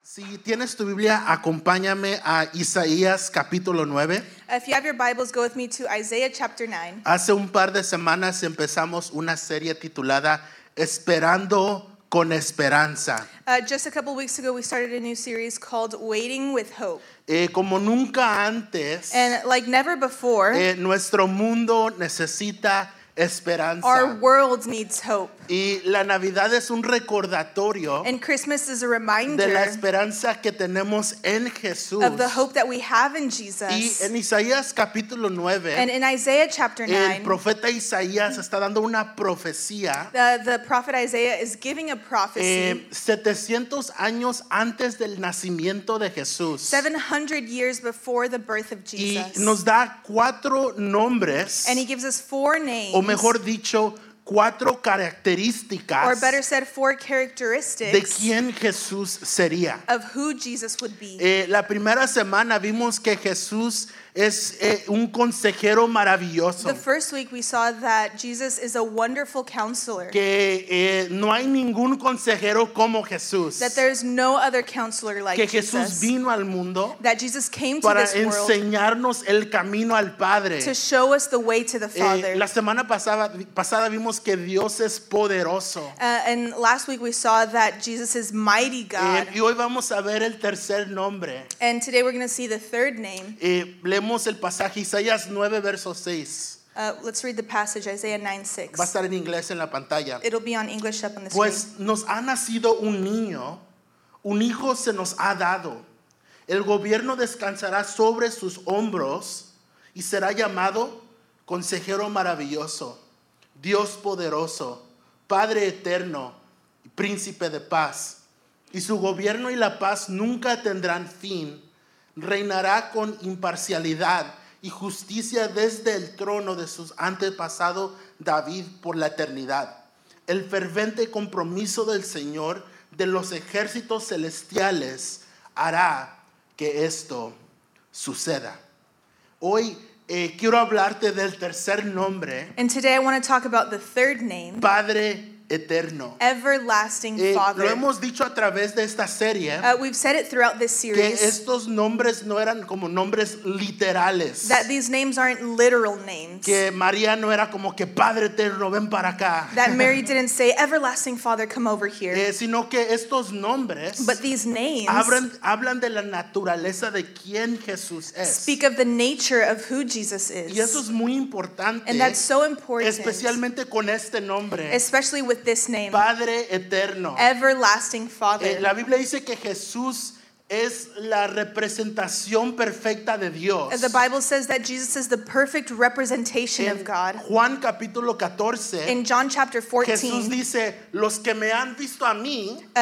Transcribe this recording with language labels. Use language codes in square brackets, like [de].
[es] Si tienes tu Biblia, acompáñame a Isaías capítulo 9. [en] If you have your Bibles, go with me to Isaiah chapter 9. [es] Hace un par de semanas empezamos una serie titulada Esperando con Esperanza. [en] Just a couple weeks ago, we started a new series called Waiting with Hope. [es] Como nunca antes, [en] and like never before, [es] nuestro mundo necesita esperanza. [en] Our world needs hope. [es] Y la Navidad es un recordatorio. [en] And Christmas is a reminder [es] de la esperanza que tenemos en Jesús. [en] Of the hope that we have in Jesus. [es] Y en Isaías capítulo 9, [en] and in Isaiah chapter 9, [es] el profeta Isaías está dando una profecía. [en] The prophet Isaiah is giving a prophecy. [es] 700 años antes del nacimiento de Jesús. [en] 700 years before the birth of Jesus. [es] Y nos da cuatro nombres. [en] And he gives us four names. [es] O mejor dicho, cuatro características, [en] or better said, four characteristics, [es] de quién Jesús sería. [en] Of who Jesus would be. [es] La primera semana vimos que Jesús es un consejero maravilloso. [en] The first week we saw that Jesus is a wonderful counselor. [es] Que no hay ningún consejero como Jesús. [en] That there is no other counselor like [es] Jesús. Que Jesús [en] Jesus. [es] Vino al mundo. [en] That Jesus came to [es] para [en] this [es] enseñarnos [en] world [es] el camino al Padre. [en] To show us the way to the Father. [es] La semana pasada vimos que Dios es poderoso. [en] And last week we saw that Jesus is mighty God. [es] Y hoy vamos a ver el tercer nombre. [en] And today we're going to see the third name. [es] Leemos el pasaje Isaías 9 verso 6. [en] Let's read the passage Isaiah 9:6. [es] Va a estar en inglés en la pantalla. [en] It'll be on English up on the [es] pues, [en] screen. [es] Pues nos ha nacido un niño, un hijo se nos ha dado. El gobierno descansará sobre sus hombros y será llamado Consejero Maravilloso, Dios Poderoso, Padre Eterno, Príncipe de Paz. Y su gobierno y la paz nunca tendrán fin. Reinará con imparcialidad y justicia desde el trono de su antepasado David por la eternidad. El fervente compromiso del Señor de los ejércitos celestiales hará que esto suceda. Hoy quiero hablarte del tercer nombre. [en] And today I want to talk about the third name. [es] Padre Eterno. [en] Everlasting Father. [es] Lo hemos dicho a través de esta serie. [en] We've said it throughout this series. [es] Que estos nombres no eran como nombres literales. [en] That these names aren't literal names. [es] Que María no era como que Padre Eterno, ven para acá. [en] That Mary didn't say Everlasting Father, come over here. [es] Sino que estos nombres. [en] But these names. [es] Hablan de la naturaleza de quién Jesús es. [en] Speak of the nature of who Jesus is. [es] Y eso es muy importante. [en] And that's so important. [es] Especialmente con este nombre. [en] Especially with this name. [es] Padre Eterno. [en] Everlasting Father. [es] La Biblia dice que Jesús es la representación perfecta de Dios. [en] The Bible says that Jesus is the perfect representation of God. [es] Juan capítulo 14. [en] In John chapter 14. [es] Jesús dice, los que me han visto a mí.